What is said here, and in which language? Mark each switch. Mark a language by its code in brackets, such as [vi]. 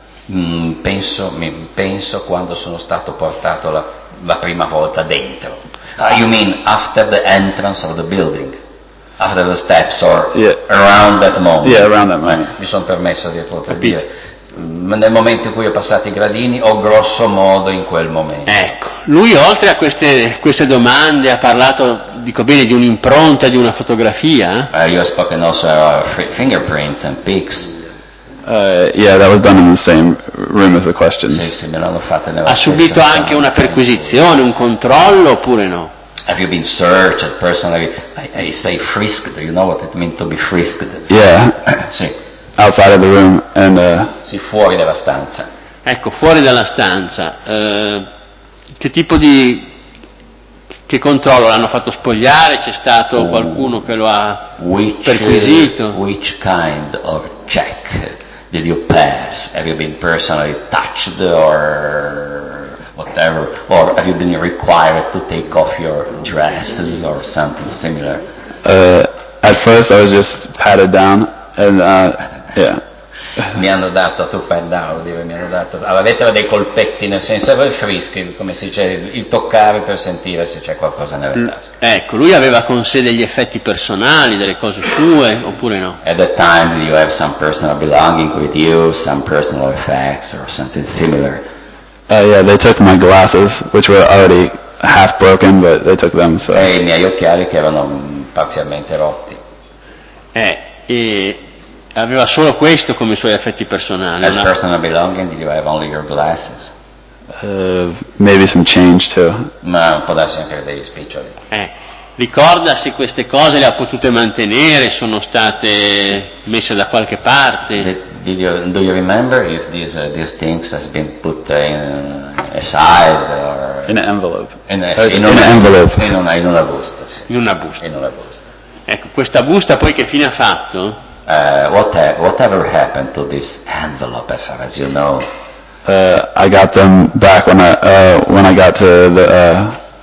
[it] Penso quando sono stato portato la prima volta dentro. [en] You mean after the entrance of the building? After the steps or around that moment? Yeah, around that moment. [it] Mi sono permesso di dire. Nel momento in cui ho passato i gradini o grosso modo in quel momento. Ecco, lui oltre a queste domande ha parlato, dico bene, di un'impronta, di una fotografia. [en] You have spoken also fingerprints and pics. Yeah, that was done in the same room as the questions. [it] Sì, me l'hanno fatta nella. Ha subito anche una perquisizione, un controllo oppure no? [en] Have you been searched personally? I say frisked. You know what it means to be frisked? Yeah. [it] Sì. [en] Outside of the room and [it] sì, fuori dalla stanza. Ecco, fuori dalla stanza. Che tipo di che controllo l'hanno fatto spogliare? C'è stato qualcuno che lo ha perquisito? [en] Which kind of check did you pass? Have you been personally touched or whatever? Or have you been required to take off your dresses or something similar? At first I was just patted down and yeah. [it] Mi hanno dato tu [en] pat down, [it] mi hanno dato alla lettera dei colpetti, nel senso del frisky, come si dice, il toccare per sentire se c'è qualcosa nella tasca. Ecco, lui aveva con sé degli effetti personali, delle cose sue oppure no? [en] At that time did you have some personal belongings with you, some personal effects or something similar? Yeah, they took my glasses which were already half broken, but they took them, so. [it] E i miei occhiali che erano parzialmente rotti. E aveva solo questo come suoi effetti personali. [en] As personal belonging, did you have only your glasses? Maybe some change too. [it] Ma può darsi anche dei spiccioli. Ricorda se queste cose le ha potute mantenere, sono state messe da qualche parte? [en] Do you remember if these things has been put in aside or in an envelope? [it] In una busta. Ecco, questa busta poi che fine ha fatto? [en] Whatever happened to this envelope, as far as you know? I got them back when I got to the.